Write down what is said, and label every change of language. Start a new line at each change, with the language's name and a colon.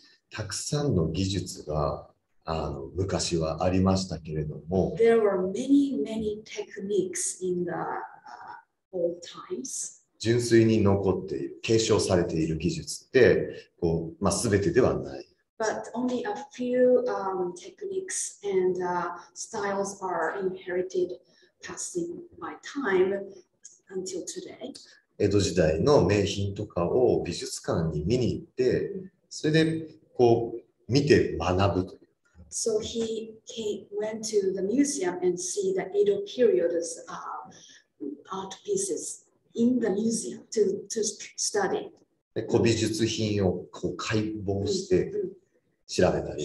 Japanese: たくさんの技術が昔はありましたけれども、
English: There were many, many techniques in the old times.
Japanese: 純粋に残っている、継承されている技術って、こう、まあ、全てではない。
English: But only a few techniques and styles are inherited passing by time until today.
Japanese: 江戸時代の名品とかを美術館に見に行って、それでこう見て学ぶという。
English: So he went to the museum and see the Edo period's art pieces in the museum to study.
Japanese: 古美術品をこう解剖して調べたり。